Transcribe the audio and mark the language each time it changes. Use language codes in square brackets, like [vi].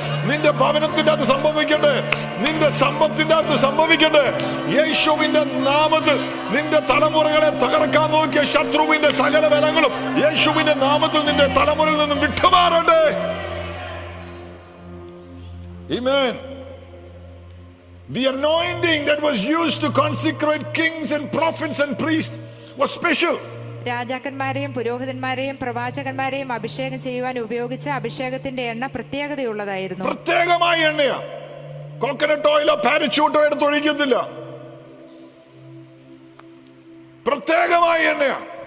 [ml] നിന്റെ ഭവനത്തിന്റെ അത് സംഭവിക്കട്ടെ, നിന്റെ സമ്പത്തിന്റെ അത് സംഭവിക്കട്ടെ. യേശുവിന്റെ നാമത്തിൽ നിന്റെ തലമുറകളെ തകർക്കാൻ നോക്കിയ ശത്രുവിന്റെ സകല ബലങ്ങളും യേശുവിന്റെ നാമത്തിൽ നിന്റെ തലമുറയിൽ നിന്നും വിട്ടുമാറട്ടെ. ആമേൻ. [en] The anointing that was used to consecrate kings and prophets and priests was special. [ml] രാജാക്കന്മാരെയും പുരോഹിതന്മാരെയും പ്രവാചകന്മാരെയും അഭിഷേകം ചെയ്യുവാൻ ഉപയോഗിച്ച അഭിഷേകത്തിന്റെ എണ്ണ പ്രത്യേകതയുള്ളതായിരുന്നു. പ്രത്യേകമായ എണ്ണയാ. കോക്കനട്ട് ഓയിലോ പാരച്യൂട്ടോ എടുത്ത് ഒഴിക്കത്തില്ല. പ്രത്യേകമായ എണ്ണയാ.